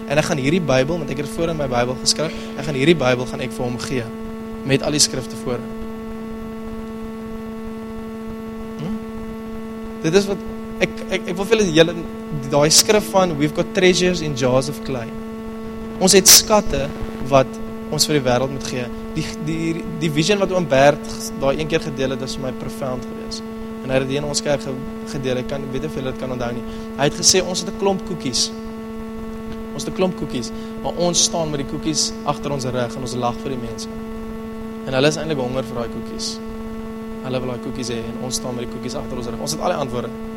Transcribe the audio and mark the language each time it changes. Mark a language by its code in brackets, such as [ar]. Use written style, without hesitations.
[af] En ek gaan hierdie Bybel, want ek het voor in my Bybel geskryf, ek gaan hierdie Bybel gaan ek vir hom gee, met al die skrifte voor. Dit is wat, ek wil vir julle, die skrif van, [en] we've got treasures in jars of clay. [af] Ons het skatte, wat ons vir die wereld moet gee. Die vision wat oom Bert daar een keer gedeel het, is my profound geweest. En hy het die in ons kerk gedeel, ek weet of julle het kan onthou nie. Hy het gesê, ons het 'n klomp koekies. Ons het 'n klomp koekies, maar ons staan met die koekies achter ons rug, en ons lag vir die mense. En hulle is eintlik honger vir die koekies. Hulle wil die koekies hê, en ons staan met die koekies achter ons rug. Ons het al die antwoorde.